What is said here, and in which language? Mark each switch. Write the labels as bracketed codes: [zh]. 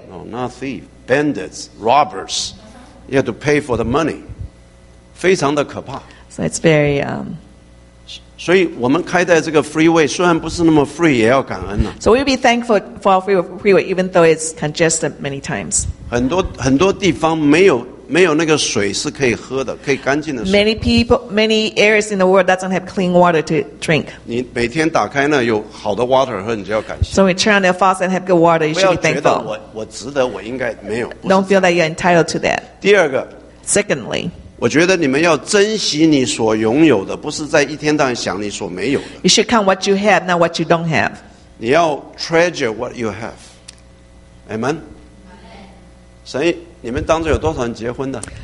[en] No, not thieves. Bandits, robbers. You have to pay for the money. [zh] 非常的可怕。 [en] So it's very... [zh] 所以我们开在这个 freeway 虽然不是那么 free 也要感恩了。 [en] So we'll be thankful for our freeway even though it's congested many times. [zh] 很多地方没有那个水是可以喝的，可以干净的水。 [en] Many areas in the world doesn't have clean water to drink. [zh] 你每天打开呢有好的 water 喝，你就要感谢。 [en] So we turn on the faucet and have good water, you should be thankful. [zh] 不要觉得我值得，我应该没有。 [en] Don't feel that you're entitled to that. [zh] 第二个。 [en] Secondly. [zh] 我觉得你们要珍惜你所拥有的，不是在一天到晚想你所没有的。 [en] You should count what you have, not what you don't have. [zh] 你要 [en] treasure what you have. Amen. [zh] 所以你们当中有多少人结婚的？